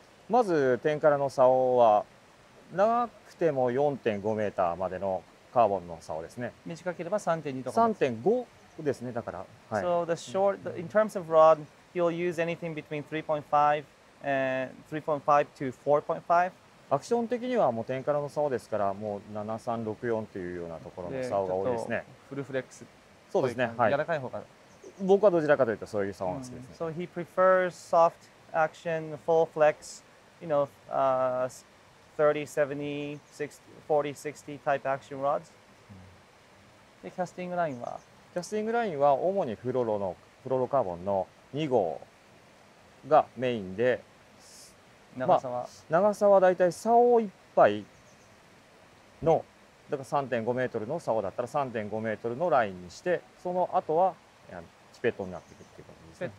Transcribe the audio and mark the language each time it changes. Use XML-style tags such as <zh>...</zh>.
<ja>まず Tenkara の竿は長くても 4.5 メーターまでのカーボンの竿ですね。短ければ 3.2 とか。 3.5 ですね、だから。</ja> <en>So the short, in terms of rod, you'll use anything between 3.5 and 3.5 to 4.5.</en> <ja>アクション的にはもう Tenkara の竿ですから、もう7.3、6.4というようなところの竿が多いですね。フルフレックス。そうですね、はい。柔らかい方が。僕はどちらかというとそういう竿が好きですね。</ja> <en>So he prefers soft action, full flex, you know, 30, 70, 60, 40, 60 type action rods.</en> <ja>で、キャスティングラインは？キャスティングラインは主にフロロカーボンの2号がメインで、長さは、長さはだいたい竿いっぱいの、だから 3.5 メートルの竿だったら 3.5 メートルのラインにして、その後はピペットになっていくっていう感じで</ja>